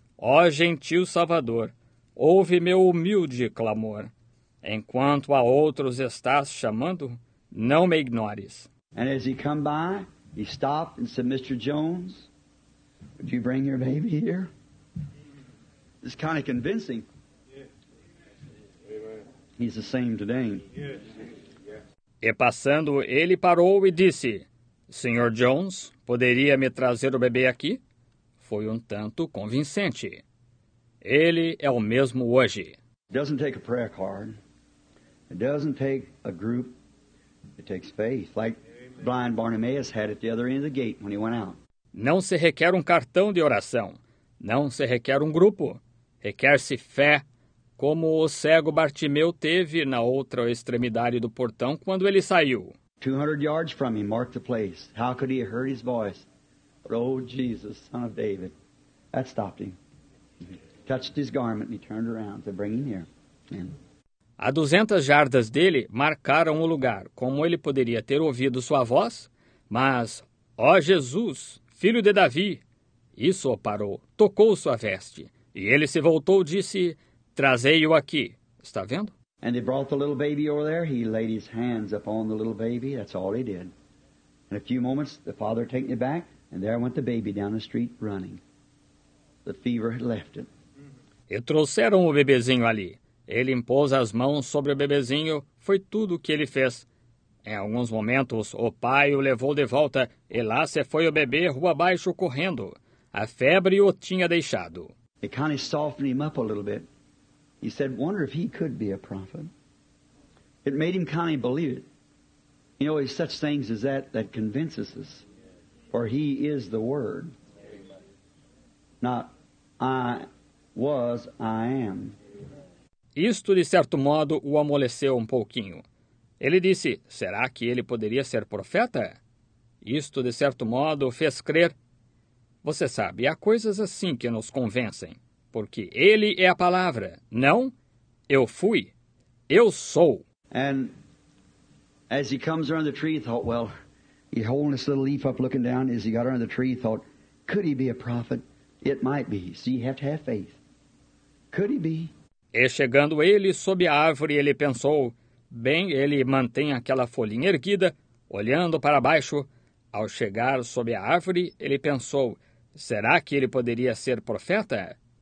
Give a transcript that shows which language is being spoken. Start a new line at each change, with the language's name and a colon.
Portuguese: Ó gentil Salvador, ouve meu humilde clamor. Enquanto a outros estás chamando, não me ignores."
English: And as he come by, he stopped and said, "Mr. Jones, would you bring your baby here?" It's kind of convincing. He's the same today.
Portuguese: E passando, ele parou e disse, "Sr. Jones, poderia me trazer o bebê aqui?" Foi tanto convincente. Ele é o mesmo hoje.
English: It doesn't take a prayer card. It doesn't take a group. It takes faith. Like blind Bartimaeus had at the other end of the gate when he went out.
Portuguese: Não se requer cartão de oração. Não se requer grupo. Requer-se fé. Como o cego Bartimeu teve na outra extremidade do portão quando ele saiu.
English: 200 yards from him, marked the place. How could he have heard his voice? But, oh, Jesus, Son of David. That stopped him. Touched his garment and he turned around to bring him here. Amen.
Portuguese: A 200 jardas dele marcaram o lugar. Como ele poderia ter ouvido sua voz? Mas, ó Jesus, filho de Davi! Isso o parou, tocou sua veste. E ele se voltou e disse, "Trazei-o aqui." Está vendo?
English: And he brought the little baby over there. He laid his hands upon the little baby. That's all he did. In a few moments, the father taken it back, and there went the baby down the street running. The fever had left it.
Portuguese: E trouxeram o bebezinho ali. Ele impôs as mãos sobre o bebezinho. Foi tudo o que ele fez. Em alguns momentos, o pai o levou de volta. E lá se foi o bebê rua abaixo correndo. A febre o tinha deixado.
English: It kind of softened him up a little bit. He said, "Wonder if he could be a prophet." It made him kind of believe it. You know, it's such things as that convinces us. For he is the Word. Not I was, I am.
Portuguese: Isto, de certo modo, o amoleceu pouquinho. Ele disse, "Será que ele poderia ser profeta?" Isto, de certo modo, fez crer. Você sabe, há coisas assim que nos convencem. Porque ele é a palavra, não? Eu fui. Eu sou.
English: And as he comes around the tree, he thought, well, he holding this little leaf up looking down, as he got around the tree, he thought, could he be a prophet? It might be. So you have to have faith. Could he be?
Portuguese: E chegando ele sob a árvore, ele pensou, bem, ele mantém aquela folhinha erguida, olhando para baixo. Ao chegar sob a árvore, ele pensou, será que ele poderia ser profeta?